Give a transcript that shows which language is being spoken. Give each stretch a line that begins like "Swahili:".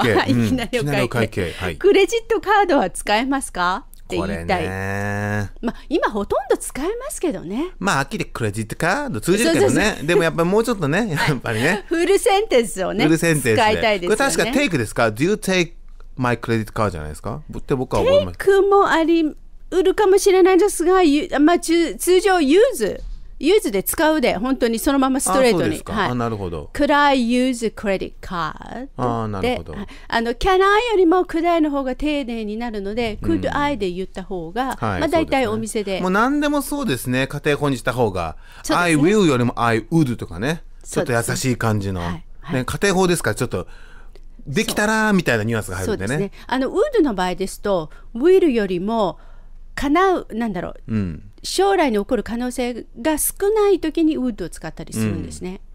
Japanese: いきなりお会計、うん、いきなりお会 計, お会計、はい、クレジットカードは使えますかって言いたい。これね、ま、今ほとんど使えますけどね。まあ、あっきりクレジットカード通じるけどね。そうそうそう。でもやっぱりもうちょっとね、やっぱりね。フルセンテンスをね、フルセンテンス使いたいですよね。これ確かテイクですか。
English: Do you take my credit card
Japanese: じゃないですか。って僕は思います。テイクもあり得るかもしれないですが、まあ、通常use で使うで、本当にそのままストレートに。あ、そうですか。はい、あ、なるほど。
English: Could I use credit card?
Japanese: あ、なるほど。あの、can I よりも could I の方が丁寧になるので、could I で言った方が、はい、まあ、大体お店で。もう何でもそうですね。家庭本にした方が。
English: I will よりも I would とかね。
Japanese: ちょっと優しい感じの。はいはい、ね、家庭本ですから、ちょっと。できたら、みたいなニュアンスが入るんでね。そうですね。あの、would の場合ですと、will よりも、叶う、なんだろう。うん、将来に起こる可能性が少ない時にウッドを使ったりするんですね、